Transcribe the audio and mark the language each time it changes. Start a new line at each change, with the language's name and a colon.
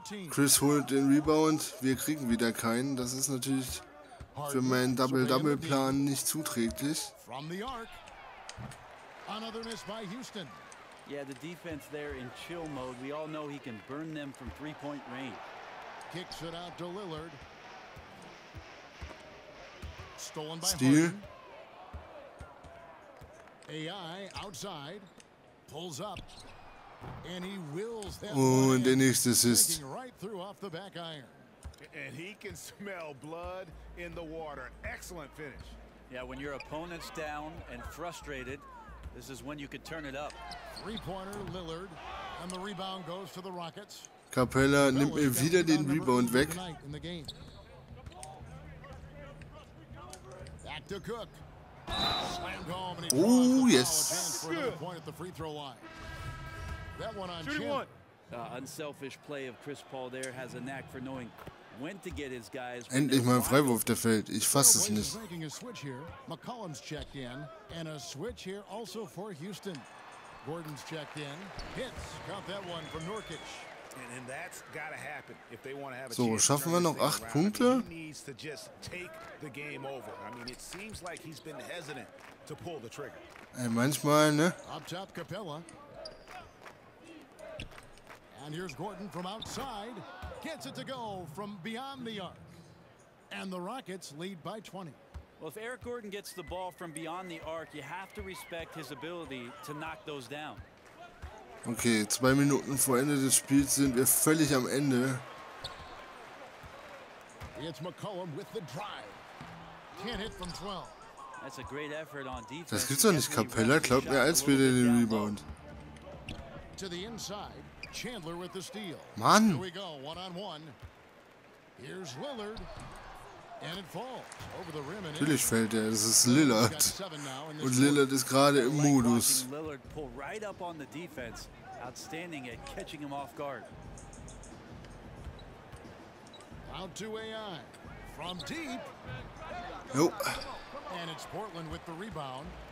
German: Chris holt den Rebound. Wir kriegen wieder keinen. Das ist natürlich für meinen Double-Double-Plan nicht zuträglich.
English: Another miss by Houston. Yeah, the defense there in chill mode. We all know he can burn them from three-point range. Kicks it out to Lillard. Stolen by Steel. AI outside. Pulls up. And he wills them.
German: Und der nächste assist.
English: Right through off the back iron. And he can smell blood in the water. Excellent finish. Yeah, when your opponent's down and frustrated, this is when you could turn it up. Three-pointer Lillard, and the rebound goes to the Rockets.
German: Capella nimmt mir wieder den Rebound weg.
English: Back to Cook. Slammed home, and he oh, yes. Point at the free throw line. That one on Chandler. Unselfish play of Chris Paul there has a knack for knowing when to get his guys.
German: Endlich mal ein Freiwurf, der fällt. Ich fasse es nicht.
English: Making a switch here. McCollum's checked in. And a switch here also for Houston. Gordon's checked in. Hits. Count that one from Nurkic. And that's got to happen if they want to have a so, chance.
German: So, schaffen wir noch 8 Punkte?
English: He needs to just take the game over. I mean, it seems like he's been hesitant to pull the trigger.
German: Ey, manchmal, ne?
English: Up top, Capella. And here's Gordon from outside. Gets it to go from beyond the arc. And the Rockets lead by 20. Well, if Eric Gordon gets the ball from beyond the arc, you have to respect his ability to knock those down.
German: Okay, 2 Minuten vor Ende des Spiels sind wir völlig am Ende.
English: It's McCollum with the drive. Can't hit from 12. That's a great effort on defense.
German: Das gibt's doch nicht, Capella. Glaub mir, als wir den Rebound.
English: To the inside. Chandler with the steal.
German: Mann.
English: Here we go, one on one. Here's Lillard. And it falls over the rim.
German: Natürlich fällt er. Das ist Lillard. Und Lillard ist gerade im Modus.
English: Lillard pull right up on the defense. Outstanding at catching him off guard. Out to AI. From deep. Nope. And it's Portland with the rebound.